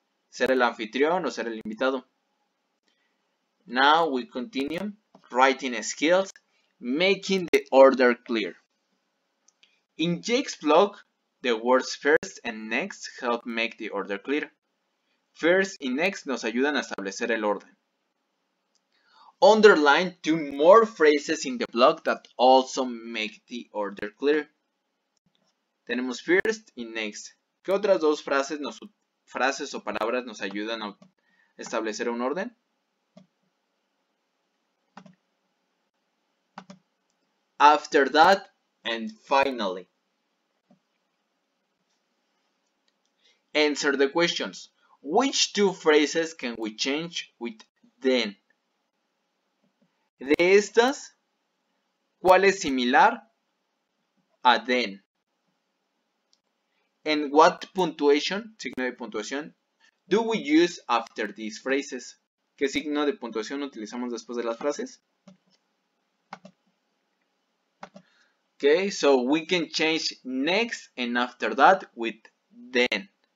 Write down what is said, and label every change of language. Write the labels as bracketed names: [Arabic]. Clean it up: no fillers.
[Spanish] ¿Ser el anfitrión o ser el invitado? [English] Now we continue writing skills, making the order clear. In Jake's blog, the words first and next help make the order clear. [Spanish] First y next nos ayudan a establecer el orden. [English] Underline two more phrases in the blog that also make the order clear. [Spanish] Tenemos first y next. ¿Qué otras dos frases o palabras nos ayudan a establecer un orden? [English] After that and finally. Answer the questions. Which two phrases can we change with then? [Spanish] De estas, ¿cuál es similar a then? [English] And what punctuation, [Spanish] signo de puntuación, [English] do we use after these phrases? [Spanish] ¿Qué signo de puntuación utilizamos después de las frases? [English] Okay, so we can change next and after that with then.